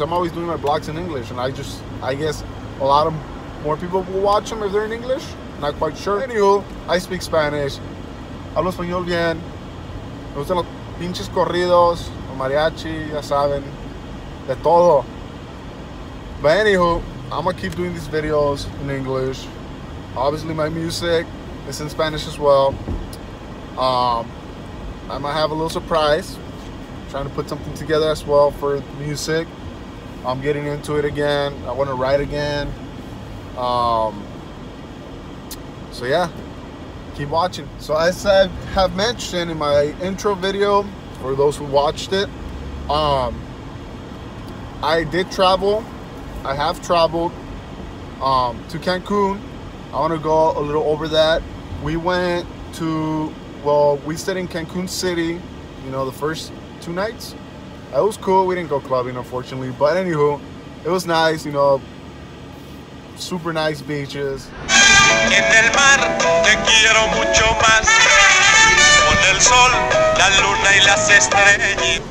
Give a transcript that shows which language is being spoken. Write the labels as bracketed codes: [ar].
[en] I'm always doing my blogs in English, and I guess a lot of more people will watch them if they're in English. Not quite sure. Anywho, I speak Spanish. [es] Hablo español bien. Me gustan los pinches corridos, los mariachi, ya saben, de todo. [en] But anywho, I'm gonna keep doing these videos in English. Obviously, my music is in Spanish as well. I might have a little surprise. Trying to put something together as well for music. I'm getting into it again. I want to write again. So yeah, keep watching. So as I have mentioned in my intro video, for those who watched it, I did travel. I have traveled to Cancun. I want to go a little over that. We stayed in Cancun City, you know, the first two nights. It was cool. We didn't go clubbing, unfortunately, but anywho, it was nice, you know, super nice beaches. [es] En el mar te quiero mucho más. Con el sol, la luna y las estrellas.